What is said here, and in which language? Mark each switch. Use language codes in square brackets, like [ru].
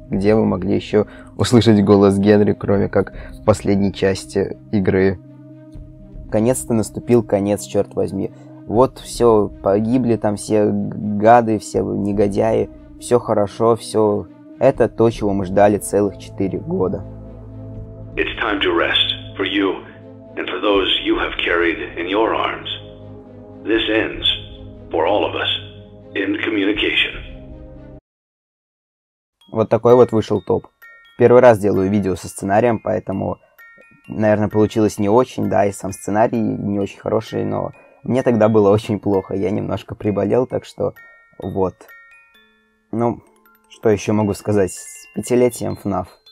[ru] Где вы могли еще услышать голос Генри, кроме как в последней части игры? Наконец-то наступил конец, черт возьми. Вот все, погибли там все гады, все негодяи, все хорошо, все. Это то, чего мы ждали целых 4 года. [en] It's time to rest for you and for those you have carried in your arms. This ends for all of us in communication. [ru] Вот такой вот вышел топ. Первый раз делаю видео со сценарием, поэтому, наверное, получилось не очень, да, и сам сценарий не очень хороший, но мне тогда было очень плохо, я немножко приболел, так что вот. Ну, что еще могу сказать с 5-летием FNAF?